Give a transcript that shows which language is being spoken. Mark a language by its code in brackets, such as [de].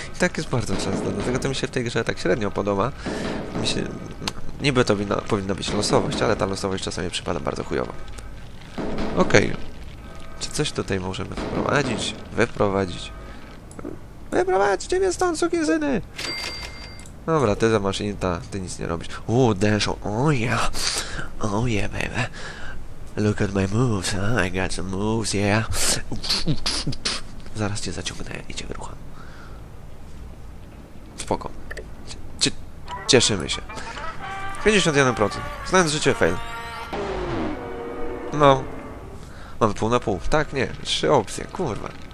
[pl] I tak jest bardzo często, dlatego to mi się w tej grze tak średnio podoba. Niby to powinna być losowość, ale ta losowość czasami przypada bardzo chujowo. Okej, czy coś tutaj możemy wprowadzić? Wyprowadzić? Wyprowadź ciebie stąd, sukinsyny! Dobra, ty za maszynita, ty nic nie robisz. [en] Deszą, oh yeah! Oh yeah, baby. Look at my moves, huh? I got some moves, yeah. [pl] Zaraz cię zaciągnę i cię wyrucham. Spoko. Cieszymy się. 51%. Znając życie, fail. No. Mamy pół na pół. Tak, nie. Trzy opcje, kurwa.